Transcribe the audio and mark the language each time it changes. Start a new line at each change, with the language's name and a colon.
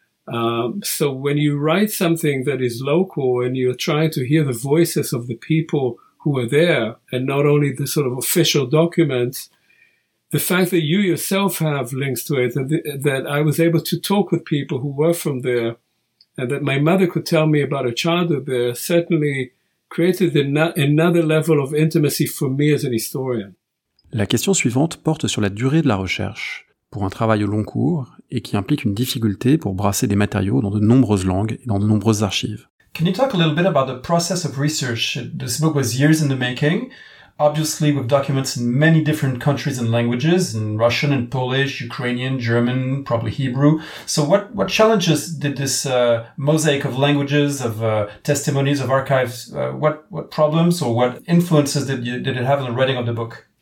English: So when you write something that is local and you're trying to hear the voices of the people who are there and not only the sort of official documents, the fact that you yourself have links to it, that I was able to talk with people who were from there, and that my mother could tell me about her childhood there, certainly created another level of intimacy for me as an historian.
French: La question suivante porte sur la durée de la recherche. Pour un travail au long cours et qui implique une difficulté pour brasser des matériaux dans de nombreuses langues et dans de nombreuses archives.
English: Can you talk a little bit about the process of research? This book was years in the making, obviously with documents in many different countries and languages, in Russian and Polish, Ukrainian, German, probably Hebrew. So what challenges did this mosaic of languages, of testimonies, of archives, what problems or what influences did it have on the writing of the book?